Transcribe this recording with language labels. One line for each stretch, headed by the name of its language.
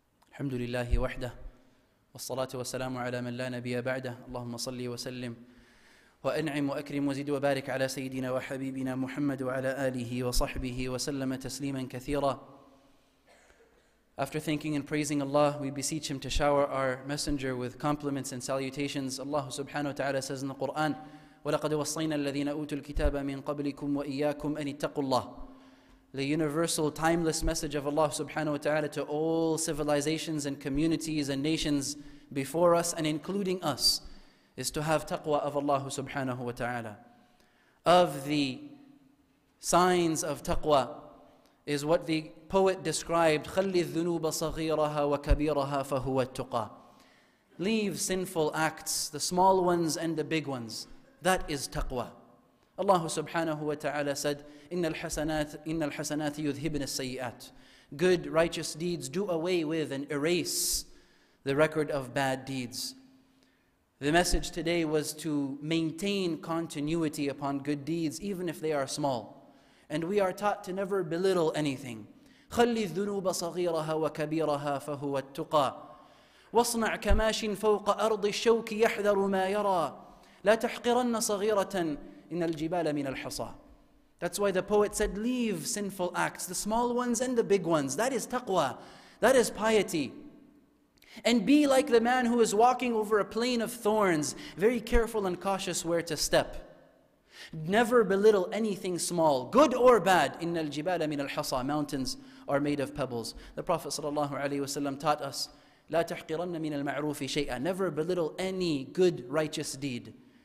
Arabic: الحمد لله وحده والصلاة والسلام على من لا نبي بعده اللهم صلي وسلم وأنعم وأكرم وزد وبارك على سيدنا وحبيبنا محمد وعلى آله وصحبه وسلم تسليما كثيرا
English: After thanking and praising Allah, we beseech Him to shower our messenger with compliments and salutations. Allah subhanahu wa ta'ala says in the Quran,
Arabic: وَلَقَدْ وَصَّيْنَا الَّذِينَ أُوتُوا الْكِتَابَ مِنْ قَبْلِكُمْ وَإِيَّاكُمْ أَنِ اتَّقُوا اللَّهِ
English: The universal, timeless message of Allah subhanahu wa ta'ala to all civilizations and communities and nations before us and including us is to have taqwa of Allah subhanahu wa ta'ala. Of the signs of taqwa is what the poet described,
Arabic: خَلِّ الذُّنُوبَ صَغِيرَهَا وَكَبِيرَهَا فَهُوَ التُّقَى
English: Leave sinful acts, the small ones and the big ones. That is taqwa. Allah subhanahu wa ta'ala said,
Arabic: إِنَّ الْحَسَنَاتِ يُذْهِبْنَ السَّيِّئَاتِ
English: Good, righteous deeds do away with and erase the record of bad deeds. The message today was to maintain continuity upon good deeds, even if they are small. And we are taught to never belittle anything.
Arabic: خَلِّ الذُّنُوبَ صَغِيرَهَا وَكَبِيرَهَا فَهُوَ التُّقَى وَصْنَعْ كَمَاشٍ فَوْقَ أَرْضِ الشَّوْكِ يَحْذَرُ مَا يَرَى لَا تَحْقِرَنَّ صَغِيرَةً إِنَّ الْجِبَالَ مِنَ الْحِصَى
English: That's why the poet said, leave sinful acts, the small ones and the big ones. That is taqwa. That is piety. And be like the man who is walking over a plain of thorns, very careful and cautious where to step. Never belittle anything small, good or bad.
Arabic: إِنَّ الْجِبَالَ مِنَ الْحَصَى
English: Mountains are made of pebbles. The Prophet ﷺ taught us,
Arabic: لَا تَحْقِرَنَّ مِنَ الْمَعْرُوفِ شَيْئًا
English: Never belittle any good righteous deed.